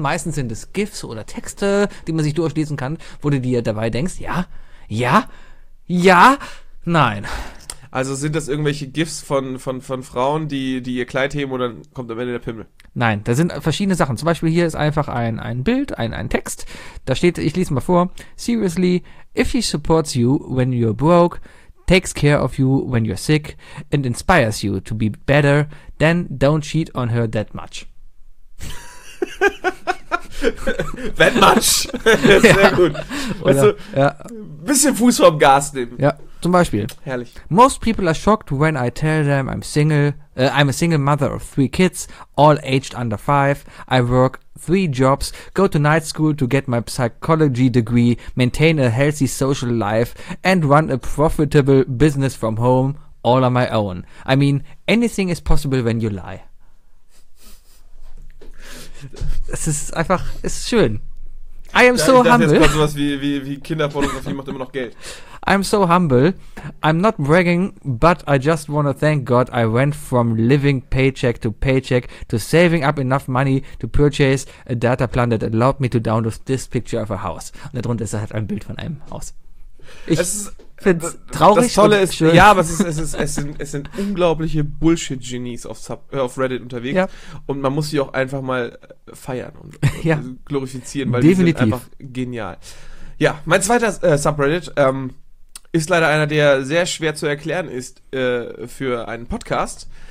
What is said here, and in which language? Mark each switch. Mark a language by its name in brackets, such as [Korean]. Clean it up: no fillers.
[German] Meistens sind es GIFs oder Texte, die man sich durchlesen kann, wo du dir dabei denkst, ja, ja, ja, nein. Also sind das irgendwelche GIFs von Frauen, die ihr Kleid heben, oder kommt am Ende der Pimmel? Nein, da sind verschiedene Sachen. Zum Beispiel hier ist einfach ein Bild, ein Text. Da steht, ich lese mal vor: [English] Seriously, if he supports you when you're broke, takes care of you when you're sick and inspires you to be better, then don't cheat on her that much. That much. [German] Sehr ja. gut. Oder, weißt du, ja. Bisschen Fuß vom Gas nehmen. Ja, zum Beispiel. Herrlich. [English] Most people are shocked when I tell them I'm a single mother of 3 kids, all aged under 5. I work 3 jobs, go to night school to get my psychology degree, maintain a healthy social life and run a profitable business from home, all on my own. I mean, anything is possible when you lie. [German] Es ist einfach, es ist schön. [English] I am ja, so humble. [German] Jetzt sowas wie Kinderpornografie macht immer noch Geld. [English] I'm so humble. I'm not bragging, but I just want to thank God I went from living paycheck to saving up enough money to purchase a data plan that allowed me to download this picture of a house. [German] Und darunter ist halt ein Bild von einem Haus. Ich finde es traurig. Das Tolle ist, ja, aber es sind unglaubliche Bullshit-Genies auf Reddit unterwegs. Ja. Und man muss sie auch einfach mal feiern und ja. glorifizieren, weil definitiv. Die sind einfach genial. Ja, mein zweiter Subreddit ist leider einer, der sehr schwer zu erklären ist für einen Podcast.